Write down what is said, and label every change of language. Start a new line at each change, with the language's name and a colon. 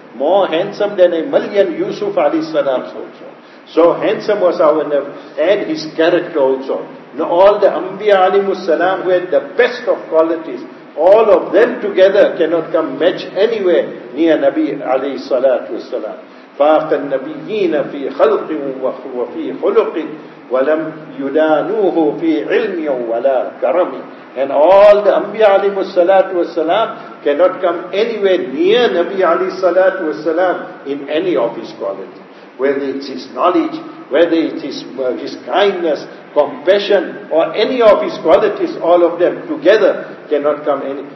English: More handsome than a million Yusuf alayhi salam also. So handsome was our Nabi, and his character also. Now all the Anbiya alayhi salam who had the best of qualities, all of them together cannot come match anywhere near Nabi alayhi salatu wa sallam.
Arabic: فاق النبيين في خلق وفي خلق ولم يدانوه في علم ولا كرم.
English: And all the Anbiya alayhi salatu wa salam cannot come anywhere near Nabi alayhi salatu wa salam in any of his quality. Whether it's his knowledge, whether it is his kindness, compassion, or any of his qualities, all of them together cannot come any.